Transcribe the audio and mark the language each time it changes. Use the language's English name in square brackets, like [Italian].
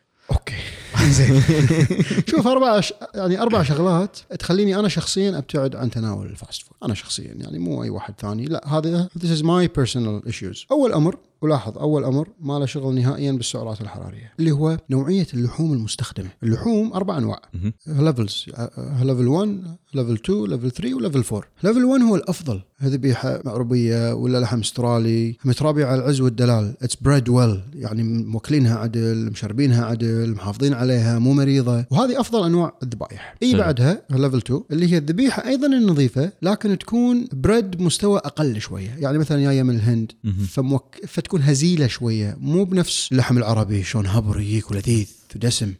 [Arabic] أوكي زين. شوف أربع شغلات تخليني أنا شخصيا أبتعد عن تناول الفاست فود. أنا شخصيا يعني مو أي واحد ثاني، لا هذا [English] this is my personal issues. [Arabic] أول أمر، ولاحظ أول أمر ما له شغل نهائيا بالسعرات الحرارية، اللي هو نوعية اللحوم المستخدمة. اللحوم أربع أنواع levels، level 1 level 2 level 3 level 4. level 1 هو الأفضل، ذبيحة عربية ولا لحم استرالي متربي على العز والدلال، [English] it's bred well، [Arabic] يعني مكلينها عدل، مشربينها عدل، محافظين عليها مو مريضة، وهذه أفضل أنواع الذبائح. أي بعدها level 2 اللي هي الذبيحة أيضا النظيفة لكن تكون bred مستوى أقل شوية، يعني مثلا جاية من الهند فتكون هزيلة شوية، مو بنفس اللحم العربي شون هبر ييك ولذيذ ودسم.